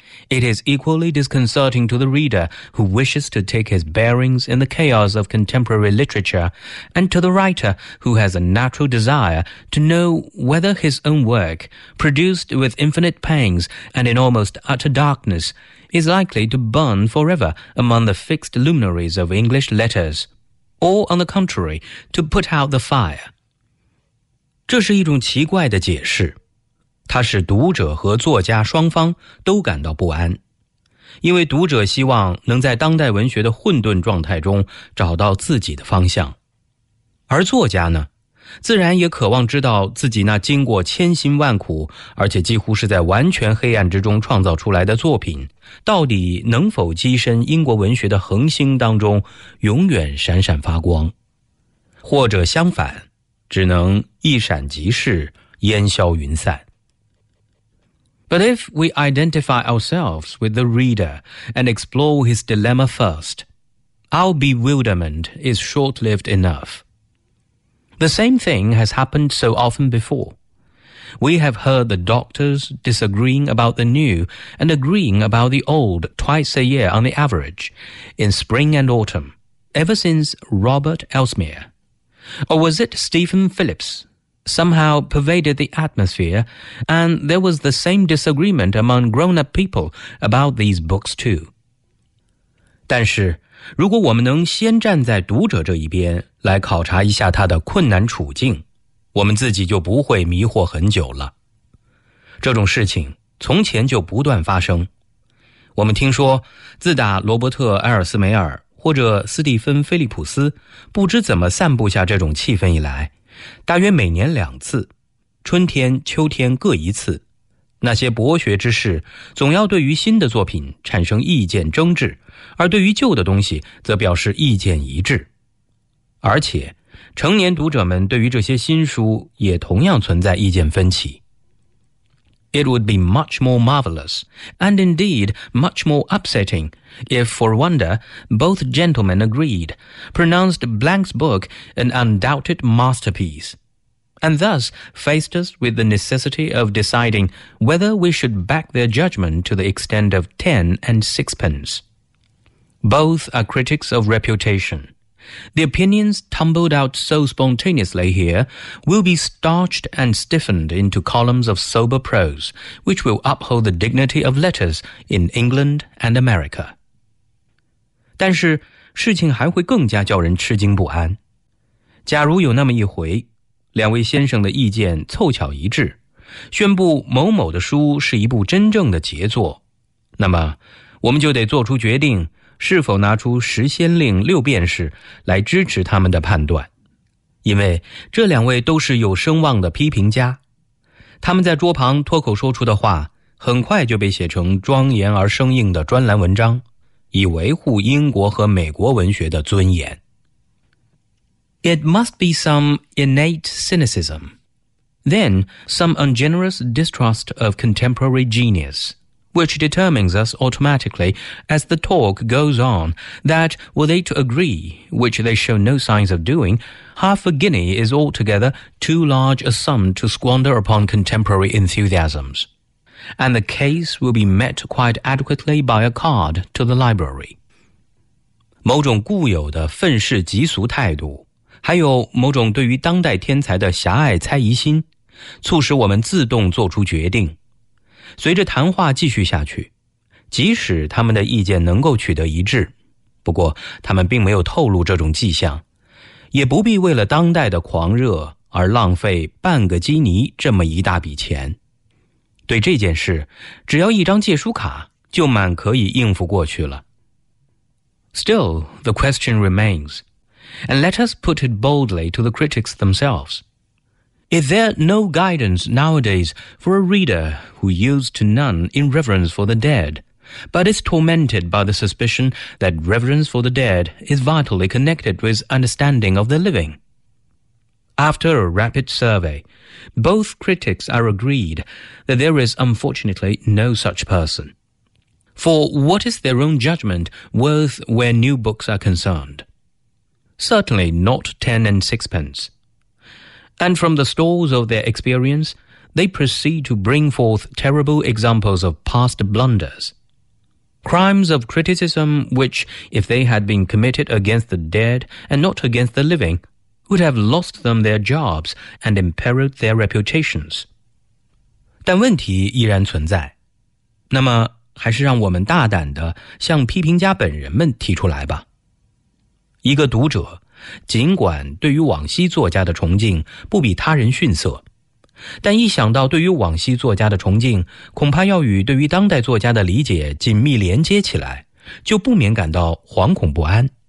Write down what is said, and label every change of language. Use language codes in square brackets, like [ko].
[en] It is equally disconcerting to the reader who wishes to take his bearings in the chaos of contemporary literature, and to the writer who has a natural desire to know whether his own work, produced with infinite pangs and in almost utter darkness, is likely to burn forever among the fixed luminaries of English letters, or, on the contrary, to put out the fire. [zh] 这是一种奇怪的解释。它使读者和作家双方都感到不安，因为读者希望能在当代文学的混沌状态中找到自己的方向，而作家呢，自然也渴望知道自己那经过千辛万苦，而且几乎是在完全黑暗之中创造出来的作品，到底能否跻身英国文学的恒星当中，永远闪闪发光，或者相反，只能一闪即逝，烟消云散。 [en] But if we identify ourselves with the reader and explore his dilemma first, our bewilderment is short-lived enough. The same thing has happened so often before. We have heard the doctors disagreeing about the new and agreeing about the old twice a year on the average, in spring and autumn, ever since Robert Elsmere. Or was it Stephen Phillips? Somehow pervaded the atmosphere, and there was the same disagreement among grown-up people about these books too. [zh] 但是，如果我们能先站在读者这一边来考察一下他的困难处境，我们自己就不会迷惑很久了。这种事情从前就不断发生。我们听说，自打罗伯特·埃尔斯梅尔或者斯蒂芬·菲利普斯不知怎么散布下这种气氛以来，大约每年两次，春天、秋天各一次，那些博学之士总要对于新的作品产生意见争执，而对于旧的东西则表示意见一致。而且，成年读者们对于这些新书也同样存在意见分歧。 [en] It would be much more marvelous, and indeed much more upsetting, if, for wonder, both gentlemen agreed, pronounced Blank's book an undoubted masterpiece, and thus faced us with the necessity of deciding whether we should back their judgment to the extent of 10 and 6 pence. Both are critics of reputation. The opinions tumbled out so spontaneously here will be starched and stiffened into columns of sober prose, which will uphold the dignity of letters in England and America. [zh] 但是事情还会更加叫人吃惊不安。假如有那么一回，两位先生的意见凑巧一致，宣布某某的书是一部真正的杰作，那么我们就得做出决定，是否拿出十先令六便士来支持他们的判断，因为这两位都是有声望的批评家，他们在桌旁脱口说出的话很快就被写成庄严而生硬的专栏文章，以维护英国和美国文学的尊严。 [en] It must be some innate cynicism, then some ungenerous distrust of contemporary geniusWhich determines us automatically, as the talk goes on, that were they to agree, which they show no signs of doing, half a guinea is altogether too large a sum to squander upon contemporary enthusiasms. And the case will be met quite adequately by a card to the library. [zh] 某种固有的愤世嫉俗态度，还有某种对于当代天才的狭隘猜疑心，促使我们自动做出决定。随着谈话继续下去，即使他们的意见能够取得一致，不过他们并没有透露这种迹象，也不必为了当代的狂热而浪费半个基尼这么一大笔钱。对这件事，只要一张借书卡就满可以应付过去了。 [en] Still, the question remains, and let us put it boldly to the critics themselves. Is there no guidance nowadays for a reader who yields to none in reverence for the dead, but is tormented by the suspicion that reverence for the dead is vitally connected with understanding of the living? After a rapid survey, both critics are agreed that there is unfortunately no such person. For what is their own judgment worth where new books are concerned? Certainly not 10 and 6 pence. And from the stores of their experience, they proceed to bring forth terrible examples of past blunders. Crimes of criticism which, if they had been committed against the dead and not against the living, would have lost them their jobs and imperiled their reputations. [zh] 但问题依然存在。那么还是让我们大胆地向批评家本人们提出来吧。一个读者尽管对于往昔作家的崇敬不比他人逊色，但一想到对于往昔作家的崇敬恐怕要与对于当代作家的理解紧密连接起来，就不免感到惶恐不安。